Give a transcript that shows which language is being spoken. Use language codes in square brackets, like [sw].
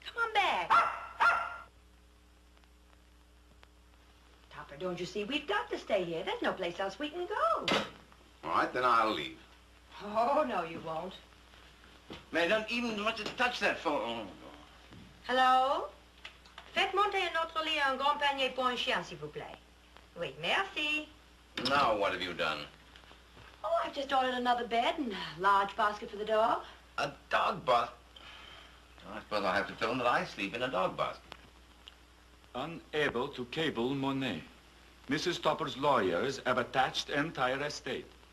[en] Come on back. Topper, don't you see? We've got to stay here. There's no place else we can go. All right, then I'll leave. Oh, no, you won't. Man, don't even want to touch that phone. Hello? [fr] Faites monter un autre lit, un grand panier pour un chien, s'il vous plaît. Oui, merci. [en] Now, what have you done? Oh, I've just ordered another bed and a large basket for the dog. A dog basket? I suppose I'll have to tell him that I sleep in a dog basket. Unable to cable Monet. Mrs. Topper's lawyers have attached entire estate.